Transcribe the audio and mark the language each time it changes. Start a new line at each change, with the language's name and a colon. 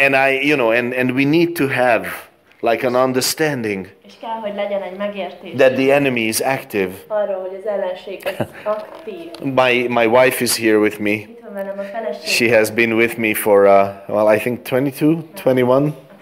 English: And I, you know, and we need to have like an understanding.
Hungarian: És kell, hogy legyen egy megértés.
English: That the enemy is active.
Hungarian: Arra, hogy az ellenség aktív.
English: My wife is here with me.
Hungarian: Itt van velem a feleség.
English: She has been with me for well, I think 22, 21.